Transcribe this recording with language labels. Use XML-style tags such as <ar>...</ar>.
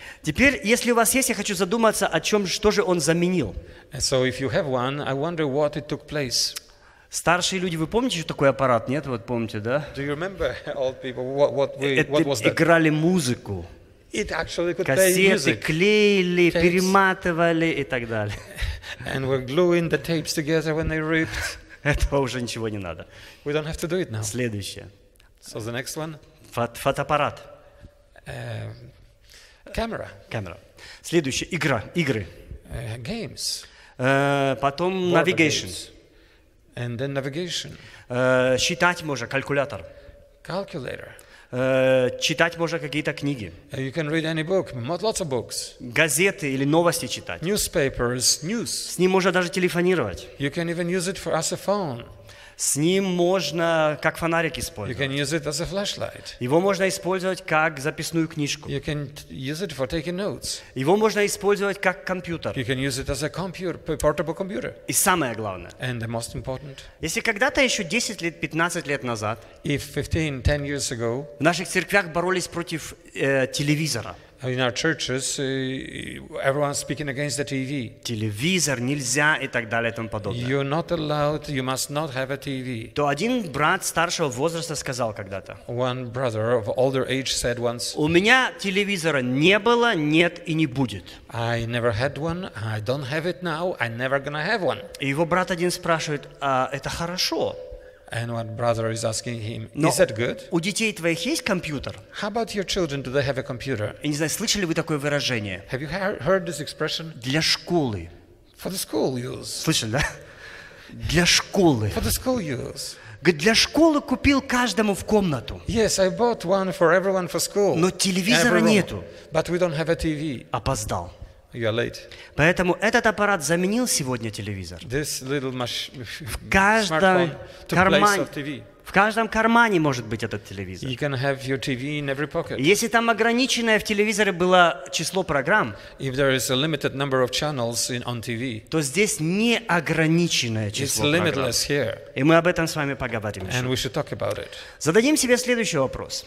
<ru>Теперь, если у вас есть, я хочу задуматься, о чем, что же он заменил.</ru> <en>So if you have one, I wonder what it took place.</en> <ru>Старшие люди, вы помните, что такой аппарат, нет? Вот помните, да?</ru> <en>Do you remember, old people, what was that?</en> <ru>Играли музыку.</ru> <en>It actually could</en> <ru>Кассеты</ru> <en>play music.</en> <ru>Клеили, tapes. Перематывали и так далее.</ru> <en>And we're gluing the tapes together when they ripped.</en> <ru>Этого уже ничего не надо.</ru> <en>We don't have to do it now.</en> <ru>Следующее.</ru> <en>So the next one?</en> <ru>Фотоаппарат.</ru> <en>Camera. Camera.</en> <ru>Следующее. Игра. Игры.</ru> <en>Games.</en> <ru>Потом</ru> <en>Board navigation. Games. And then navigation.</en> <ru>Считать можно. Калькулятор.</ru> <en>Calculator.</en> <ru>Читать можно какие-то книги.</ru> <en>You can read any book. Lots of books.</en> <ru>Газеты или новости читать.</ru> <en>Newspapers, news.</en> <ru>С ним можно даже телефонировать.</ru> <en>You can even use it as a phone.</en> <ru>С ним можно как фонарик использовать.</ru> <en>You can use it as a flashlight.</en> <ru>Его можно использовать как записную книжку.</ru> <en>You can use it for taking notes.</en> <ru>Его можно использовать как компьютер.</ru> <en>You can use it as a computer, portable computer.</en> <ru>И самое главное.</ru> <en>And the most important.</en> <ru>Если когда-то еще 10 лет, 15 лет назад,</ru> <en>if 15, 10 years ago,</en> <ru>в наших церквях боролись против телевизора.</ru> <en>In our churches, everyone's speaking against the TV.</en> <ru>Телевизор нельзя и так далее и тому подобное.</ru> <en>You're not allowed. You must not have a TV.</en> <ru>То один брат старшего возраста сказал когда-то.</ru> <en>One brother of older age said once.</en> <ru>У меня телевизора не было, нет и не будет.</ru> <en>I never had one. I don't have it now. I'm never gonna have one.</en> <ru>И его брат один спрашивает: а это хорошо?</ru> <en>And what brother is asking him, is that good?</en> <ru>У детей твоих есть компьютер?</ru> <en>How about your children? Do they have a computer?</en> <ru>Я не знаю, слышали вы такое выражение?</ru> <en>Have you heard this expression?</en> <ru>Для школы.</ru> <en>For the school use.</en> <ru>Слышали, да? Для школы.</ru> <en>For the school use.</en> <ru>Говорит, для школы купил каждому в комнату.</ru> <en>Yes, I bought one for everyone for school.</en> <ru>Но телевизора нету.</ru> <en>But we don't have a TV.</en> <ru>Опоздал.</ru> <en>You are late.</en> <ru>Поэтому этот аппарат заменил сегодня телевизор.</ru> <en>This little machine,</en> <ru>в каждом кармане,</ru> <en>place of TV.</en> <ru>В каждом кармане может быть этот телевизор.</ru> <en>You can have your TV in every pocket.</en> <ru>Если там ограниченное в телевизоре было число программ,</ru> <en>if there is a limited number of channels in, on TV,</en> <ru>то здесь неограниченное число</ru> <en>it's limitless</en> <ru>программ.</ru> <en>Here.</en> <ru>И мы об этом с вами поговорим</ru> <en>and</en> <ru>еще.</ru> <en>We should talk about it.</en> <ru>Зададим себе следующий вопрос.</ru>